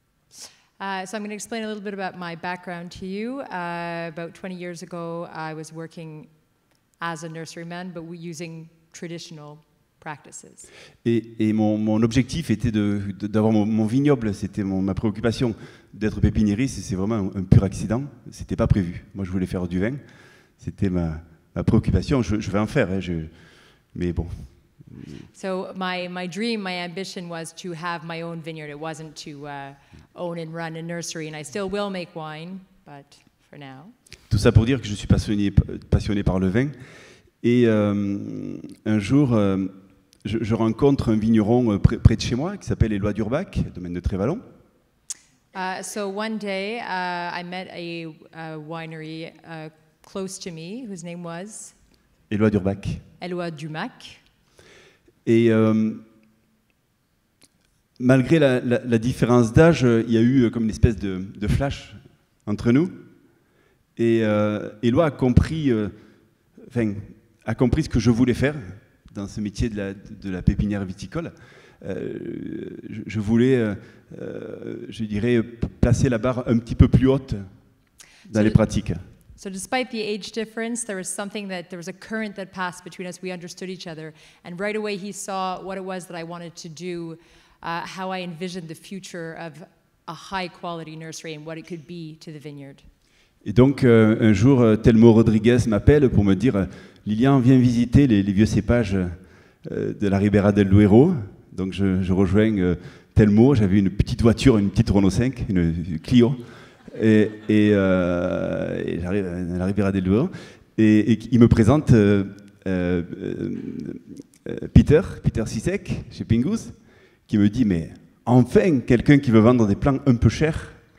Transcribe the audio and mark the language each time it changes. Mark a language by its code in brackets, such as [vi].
[en] So I'm going to explain a little bit about my background to you. About 20 years ago, I was working as a nurseryman, but using traditional practices. [fr] Et mon objectif était d'avoir mon vignoble. C'était ma préoccupation d'être pépiniériste. C'est vraiment un pur accident. C'était pas prévu. Moi, je voulais faire du vin. C'était ma préoccupation. Je vais en faire. Mais bon. [en] So my dream, my ambition was to have my own vineyard. It wasn't to own and run a nursery, and I still will make wine, but for now. Tout ça pour dire que je suis passionné par le vin. Et un jour, je rencontre un vigneron près de chez moi qui s'appelle Éloi Durbac, domaine de Trévalon. So one day, I met a winery close to me, whose name was? Éloi Durbac. Éloi Durbac. [fr] Et malgré la différence d'âge, il y a eu comme une espèce de flash entre nous. Et Éloi a compris ce que je voulais faire dans ce métier de la pépinière viticole. Je voulais, je dirais, placer la barre un petit peu plus haute dans les pratiques. [en] So despite the age difference, there was a current that passed between us. We understood each other. And right away he saw what it was that I wanted to do, how I envisioned the future of a high quality nursery and what it could be to the vineyard. [fr] Et donc un jour, Telmo Rodriguez m'appelle pour me dire, Lilian, viens visiter les vieux cépages de la Ribera del Duero. Donc je rejoins Telmo, j'avais une petite voiture, une petite Renault 5, une Clio. Et j'arrive à la Ribera del Duero et il me présente Peter Sisek chez Pingouze, qui me dit, mais enfin quelqu'un qui veut vendre des plants un peu chers.